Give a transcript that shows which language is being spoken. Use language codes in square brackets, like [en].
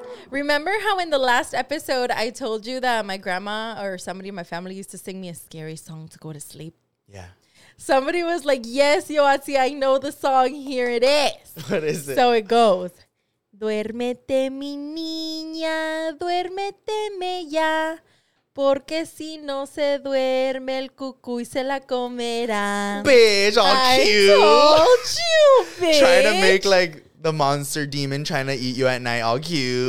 [en] Remember how in the last episode I told you that my grandma or somebody in my family used to sing me a scary song to go to sleep? Yeah. Somebody was like, yes, Yoatsi, I know the song. Here it is. What is it? So it goes. [es] Duérmete, mi niña, duérmeteme ya, porque si no se duerme el cucuy se la comerá. [en] Bitch, all cute. I told you, bitch. Trying to make like... the monster demon trying to eat you at night, all cute.